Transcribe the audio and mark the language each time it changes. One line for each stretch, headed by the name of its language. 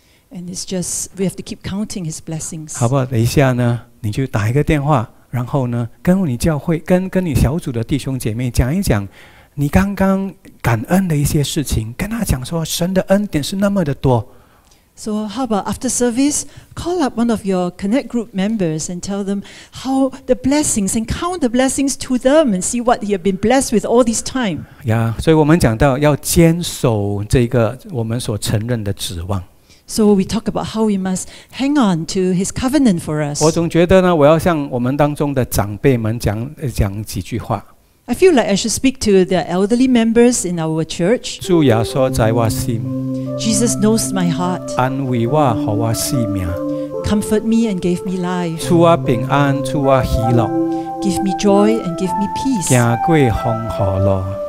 English: And it's just we have to keep counting His blessings.
Chinese: 好不好？等一下呢，你就打一个电话，然后呢，跟你教会跟你小组的弟兄姐妹讲一讲。你刚刚感恩的一些事情，跟他讲说，神的恩典是那么的多。
English: So how about after service, call up one of your Connect Group members and tell them how the blessings and count the blessings to them and see what he has been blessed with all this time.
Chinese: Yeah, 所以我们讲到要坚守这个我们所承认的指望。
English: So we talk about how we must hang on to His covenant for us.
Chinese: 我总觉得呢，我要向我们当中的长辈们讲几句话。
English: I feel like I should speak to the elderly members in our church.
Chinese: 主耶稣在我心。
English: Jesus knows my heart.
Chinese: 安慰我，给我生命。
English: Comfort me and give me life.
Chinese: 赐我平安，赐我喜乐。
English: Give me joy and give me peace.
Chinese: 行过风雨路。